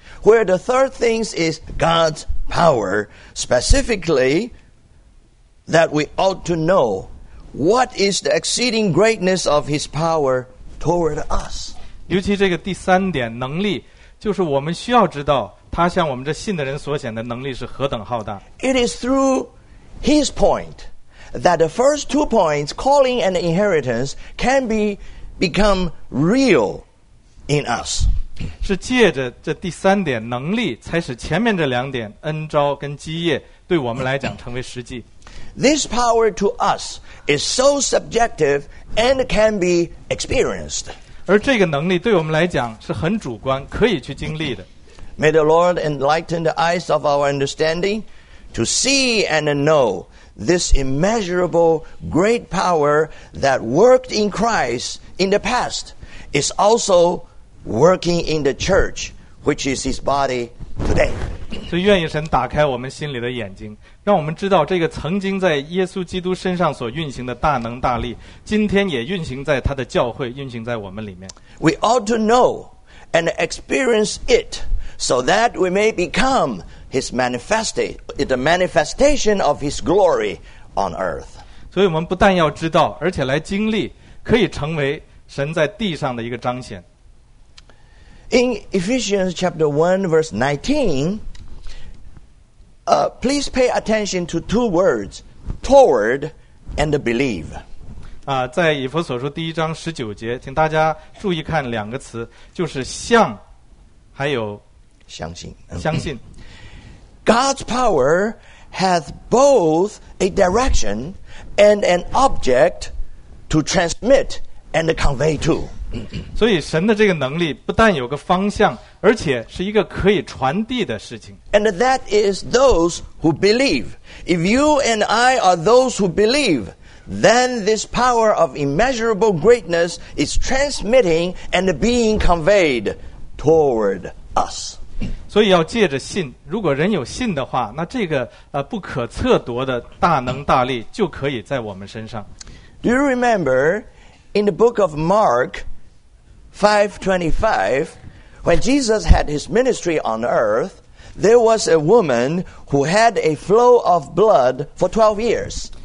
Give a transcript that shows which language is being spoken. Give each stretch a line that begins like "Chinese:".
English: Where the third thing is God's power, specifically that we ought to know what is the exceeding greatness of his power toward us.
Chinese: 尤其这个第三点，能力，就是我们需要知道他向我们这信的人所显的能力是何等浩大。
English: It is through his point that the first two points, calling and inheritance, can become real in us.
Chinese: 是借着这第三点能力，才使前面这两点恩召跟基业对我们来讲成为实际。
English: This power to us is so subjective and can be experienced.
Chinese: 而这个能力对我们来讲是很主观，可以去经历的。
English: May the Lord enlighten the eyes of our understanding to see and know this immeasurable great power that worked in Christ in the past is also working in the church, which is his body today.
Chinese: 所以愿意神打开我们心里的眼睛，让我们知道这个曾经在耶稣基督身上所运行的大能大力，今天也运行在他的教会，运行在我们里面。
English: We ought to know and experience it so that we may become the manifestation of his glory on earth.
Chinese: 所以我们不但要知道，而且来经历，可以成为神在地上的一个彰显。
English: In Ephesians chapter 1 verse 19, please pay attention to two words, toward and believe.
Chinese: 在以弗所书第一章十九节，请大家注意看两个词，就是向，还有相信。相信。
English: God's power hath both a direction and an object to transmit and convey to.
Chinese: 所以神的这个能力不但有个方向，而且是一个可以传递的事情。
English: And that is those who believe. If you and I are those who believe, then this power of immeasurable greatness is transmitting and being conveyed toward us.
Chinese: 所以要借着信，如果人有信的话，那这个不可测夺的大能大力就可以在我们身上。
English: Do you remember in the book of Mark 5:25, when Jesus had his ministry on earth, there was a woman who had a flow of blood for 12 years.